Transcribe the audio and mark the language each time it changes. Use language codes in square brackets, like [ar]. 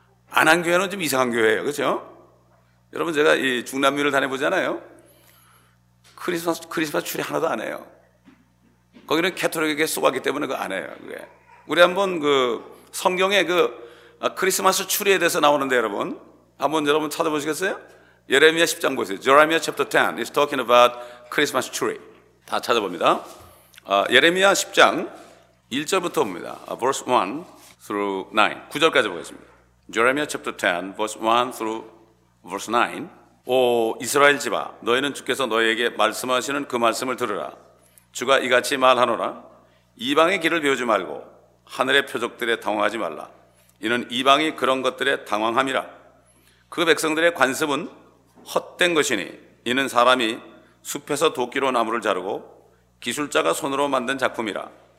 [ko] 안 한 교회는 좀 이상한 교회예요, 그렇죠? 여러분 제가 이 중남미를 다녀보잖아요. 크리스마스 추리 하나도 안 해요. 거기는 캐톨릭에게 속하기 때문에 그거 안 해요, 그게. 우리 한번 그 성경에 그 크리스마스 추리에 대해서 나오는데 여러분 한번 여러분 찾아보시겠어요? 예레미야 10장 보세요. [en] Jeremiah chapter 10 is talking about Christmas tree. [ko] 다 찾아봅니다. 예레미야 10장 1절부터 봅니다. [en] Verse 1 through 9. [ko] 9절까지 보겠습니다. [en] Jeremiah chapter 10 verse 1 through verse 9. [ko] 오 이스라엘 집아, 너희는 주께서 너희에게 말씀하시는 그 말씀을 들으라. 주가 이같이 말하노라. 이방의 길을 배우지 말고 하늘의 표적들에 당황하지 말라. 이는 이방이 그런 것들에 당황함이라. 그 백성들의 관습은 헛된 것이니 이는 사람이 숲에서 도끼로 나무를 자르고 기술자가 손으로 만든 작품이라.